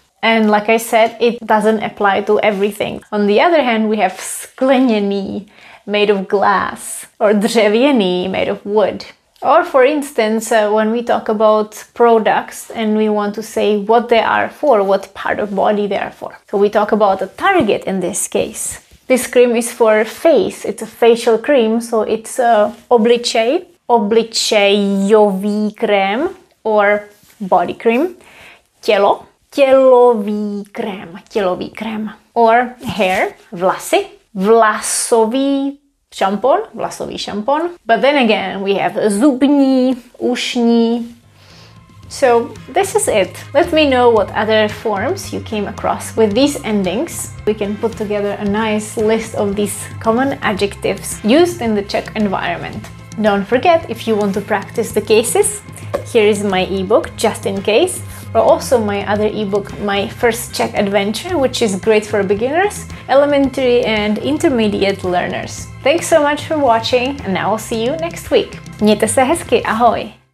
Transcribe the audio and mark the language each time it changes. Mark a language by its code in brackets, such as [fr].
[en] And like I said, it doesn't apply to everything. On the other hand, we have skleněný, made of glass, or dřevěný, made of wood. Or for instance, when we talk about products and we want to say what they are for, what part of body they are for. So we talk about a target in this case. This cream is for face, it's a facial cream, so it's obličej. Obličejový krém, or body cream, tělo, tělový krém, tělový krém, or hair, vlasy, vlasový šampon, but then again we have zubní, ušní. So this is it. Let me know what other forms you came across with these endings. We can put together a nice list of these common adjectives used in the Czech environment. Don't forget, if you want to practice the cases, here is my ebook, Just in Case, or also my other ebook, My First Czech Adventure, which is great for beginners, elementary and intermediate learners. Thanks so much for watching, and I will see you next week. [cs] Mějte se hezky, ahoj!